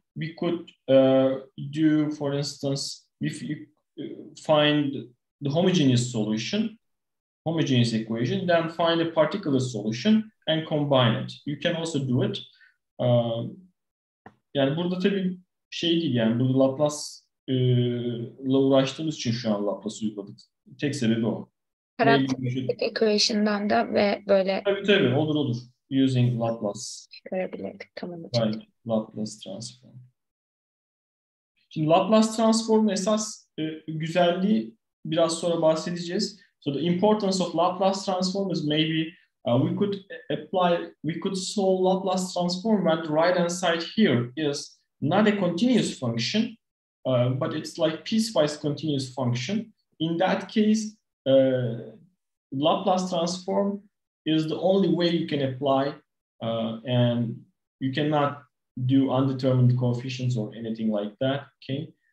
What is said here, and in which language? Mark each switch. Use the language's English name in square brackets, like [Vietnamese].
[English] We could do, for instance, if you find the homogeneous solution, homogeneous equation, then find a particular solution and combine it. You can also do it. [Turkish] Yani burada tabii şey değil, yani burada Laplace'la uğraştığımız için şu an Laplace'ı uyguladık. Tek sebebi o. Parametric equation'dan da ve böyle. Tabii tabii, olur olur. [English] Using Laplace. [Turkish] Görebilirdik, tamam hocam. [English] Right. Laplace transform. [Turkish] Şimdi Laplace transform esas güzelliği biraz sonra bahsedeceğiz. [English] So the importance of Laplace transform is maybe we could apply, we could solve Laplace transform when the right hand side here is not a continuous function, but it's like piecewise continuous function. In that case, Laplace transform is the only way you can apply, and you cannot do undetermined coefficients or anything like that, okay?